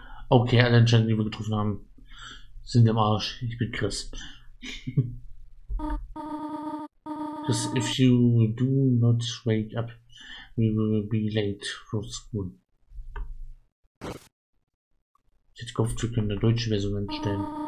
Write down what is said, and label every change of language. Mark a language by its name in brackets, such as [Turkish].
[German] Okay, alle Entscheidungen, die wir getroffen haben, sind im Arsch. Ich bin Chris. [English] Chris, if you do not wake up, we will be late for school. [German] Jetzt kommt zurück in der deutschen Version einstellen.